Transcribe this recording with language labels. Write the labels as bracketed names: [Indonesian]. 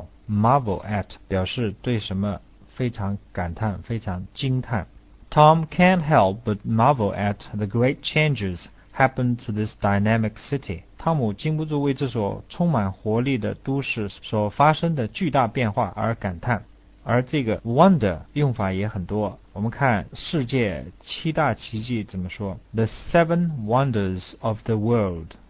[English] Marvel at [Chinese] 表示对什么非常感叹，非常惊叹。 [English] Tom can't help but marvel at the great changes happened to this dynamic city. [Chinese] 汤姆禁不住为这所充满活力的都市所发生的巨大变化而感叹。而这个 wonder 用法也很多。我们看世界七大奇迹怎么说 ？ [English] The seven wonders of the world.